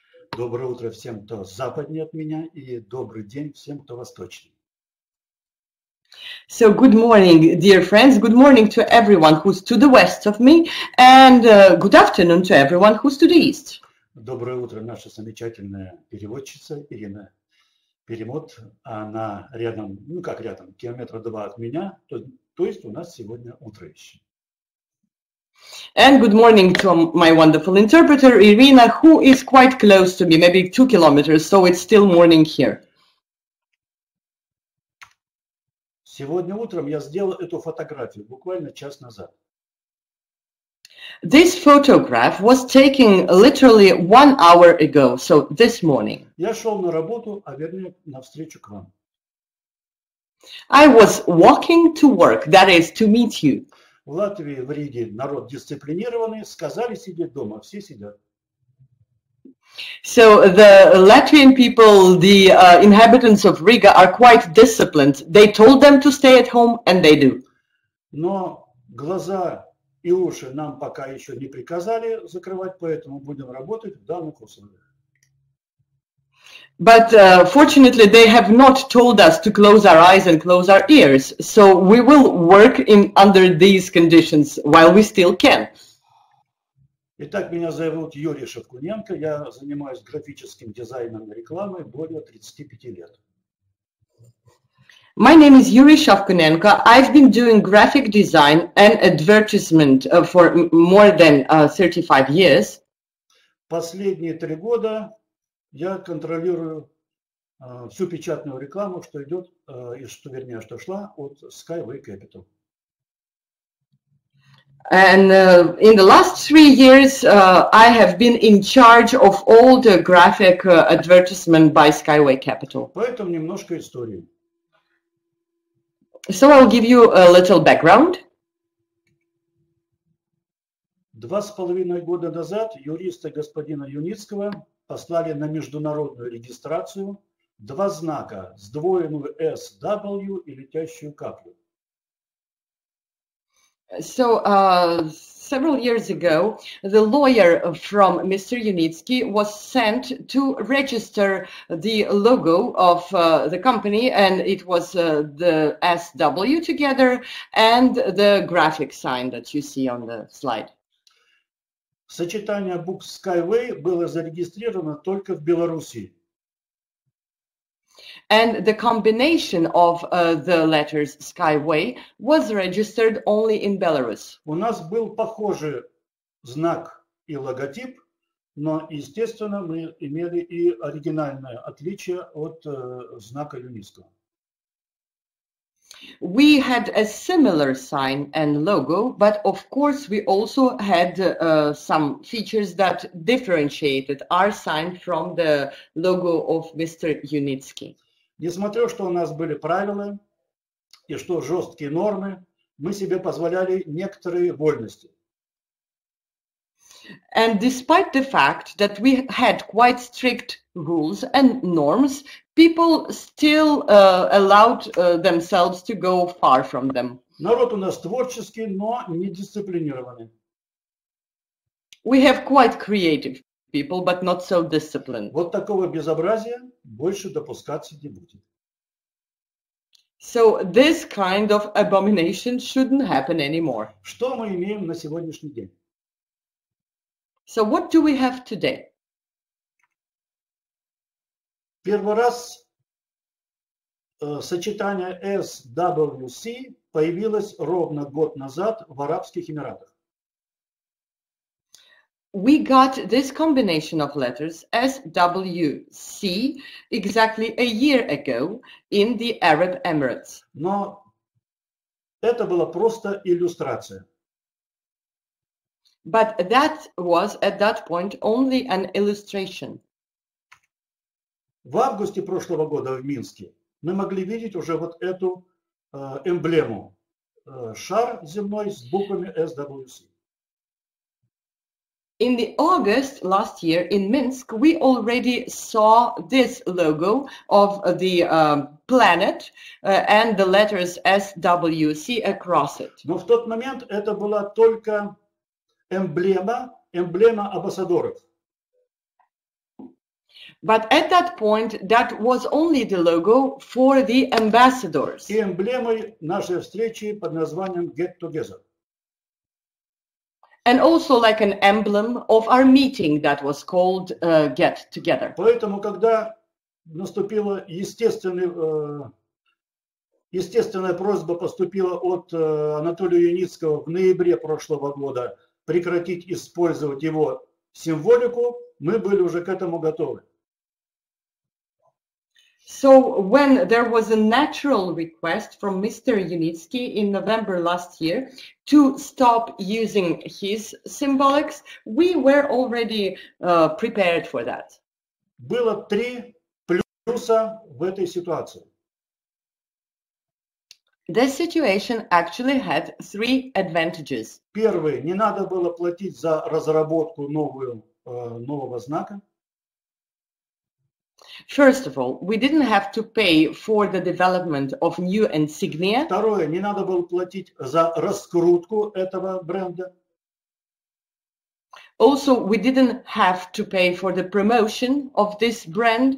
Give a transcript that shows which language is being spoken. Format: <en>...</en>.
<ru>Доброе утро всем, кто западнее от меня, и добрый день всем, кто восточнее.</ru> <en>So good morning, dear friends. Good morning to everyone who's to the west of me, and good afternoon to everyone who's to the east.</en> <ru>Доброе утро, наша замечательная переводчица Ирина Перемот. Она рядом, ну как рядом, километра два от меня. То есть у нас сегодня утро еще.</ru> <en>And good morning to my wonderful interpreter Irina, who is quite close to me, maybe 2 kilometers. So it's still morning here.</en> <ru>Сегодня утром я сделал эту фотографию, буквально час назад.</ru> <en>This photograph was taken literally 1 hour ago, so this morning.</en> <ru>Я шел на работу, а вернее, навстречу к вам.</ru> <en>I was walking to work, that is, to meet you.</en> <ru>В Латвии, в Риге, народ дисциплинированный, сказали сидеть дома, все сидят.</ru> <en>So the Latvian people, the inhabitants of Riga are quite disciplined. They told them to stay at home, and they do.</en> <ru>Но глаза и уши нам пока еще не приказали закрывать, поэтому будем работать в данных условиях.</ru> <en>But fortunately, they have not told us to close our eyes and close our ears. So we will work in under these conditions while we still can.</en> <ru>Итак, меня зовут Юрий Шевкуненко, я занимаюсь графическим дизайном рекламы более 35 лет.</ru> <en>My name is Yuri Shavkunenko. I've been doing graphic design and advertisement for more than 35 years.</en> <ru>Последние 3 года я контролирую всю печатную рекламу, что идет, что шла от Skyway Capital.</ru> <en>And in the last 3 years, I have been in charge of all the graphic advertisement by Skyway Capital.</en> <ru>Поэтому немножко истории.</ru> <en>So I'll give you a little background.</en> <ru>2.5 года назад юристы господина Юницкого послали на международную регистрацию 2 знака, сдвоенную SW и летящую каплю.</ru> <en>So, several years ago, the lawyer from Mr. Yunitsky was sent to register the logo of the company, and it was the SW together and the graphic sign that you see on the slide.</en> <ru>Сочетание букв Skyway было зарегистрировано только в Беларуси.</ru> <en>And the combination of the letters Skyway was registered only in Belarus.</en> <ru>У нас был похожий знак и логотип, но, естественно, мы имели и оригинальное отличие от знака Юниско.</ru> <en>We had a similar sign and logo, but of course we also had some features that differentiated our sign from the logo of Mr. Yunitsky.</en> <ru>Несмотря что у нас были правила и что жесткие нормы, мы себе позволяли некоторые вольности.</ru> <en>And despite the fact that we had quite strict rules and norms, people still allowed themselves to go far from them.</en> <ru>Народ у нас творческий, но не дисциплинированный.</ru> <en>We have quite creative people, but not so disciplined.</en> <ru>Вот такого безобразия больше допускаться не будет.</ru> <en>So this kind of abomination shouldn't happen anymore.</en> <ru>Что мы имеем на сегодняшний день?</ru> <en>So what do we have today?</en> <ru>Первый раз сочетание SWC появилось ровно год назад в Арабских Эмиратах.</ru> <en>We got this combination of letters SWC exactly a year ago in the Arab Emirates.</en> <ru>Но это была просто иллюстрация.</ru> <en>But that was at that point only an illustration.</en> <ru>В августе прошлого года в Минске мы могли видеть уже вот эту эмблему. Шар земной с буквами SWC.</ru> <en>In the August last year in Minsk, we already saw this logo of the planet and the letters SWC across it.</en> <ru>Но в тот момент это была только эмблема амбассадоров.</ru> <en>But at that point, that was only the logo for the ambassadors.</en> <ru>И эмблемой нашей встречи под названием Get Together.</ru> <en>And also like an emblem of our meeting that was called Get Together.</en> <ru>Поэтому, когда наступила естественная просьба поступила от Анатолия Юницкого в ноябре прошлого года прекратить использовать его символику, мы были уже к этому готовы.</ru> <en>So when there was a natural request from Mr. Yunitsky in November last year to stop using his symbolics, we were already prepared for that.</en> <ru>Было три плюса в этой ситуации.</ru> <en>The situation actually had three advantages.</en> <ru>Первый, не надо было платить за разработку нового знака.</ru> <en>First of all, we didn't have to pay for the development of new insignia.</en> <ru>Второе, не надо было платить за раскрутку этого бренда.</ru> <en>Also, we didn't have to pay for the promotion of this brand.</en>